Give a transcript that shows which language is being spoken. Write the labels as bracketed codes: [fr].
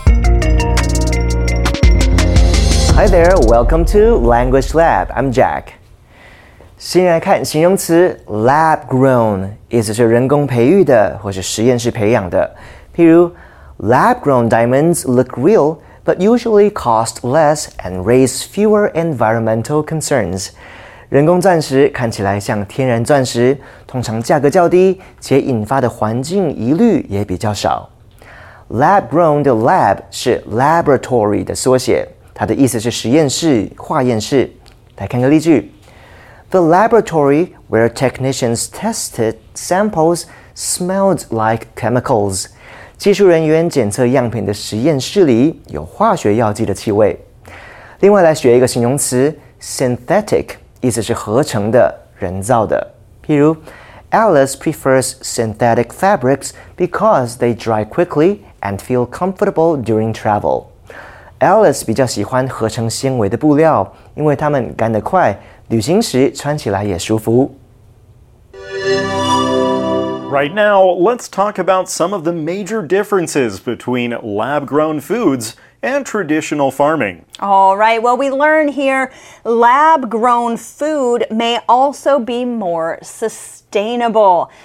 [en] Hi there, welcome to Language Lab. I'm Jack. [zh] 先来看形容词 lab grown， 意思是人工培育的或是实验室培养的。 [en] 譬如 lab grown diamonds look real, but usually cost less and raise fewer environmental concerns. [zh] 人工钻石看起来像天然钻石，通常价格较低，且引发的环境疑虑也比较少。 Lab grown 的 lab 是 laboratory 的缩写。它的意思是实验室、化验室。来看个例句。 [en] The laboratory where technicians tested samples smelled like chemicals. [zh] 技术人员检测样品的实验室里有化学药剂的气味。另外来学一个形容词 synthetic, 意思是合成的、人造的。 [en] 譬如 Alice prefers synthetic fabrics because they dry quickly and feel comfortable during travel. [zh] Alice 比较喜欢合成纤维的布料，因为它们干得快，旅行时穿起来也舒服。 [en] Right now, let's talk about some of the major differences between lab-grown foods and traditional farming. All right, well, we learn here, lab-grown food may also be more sustainable.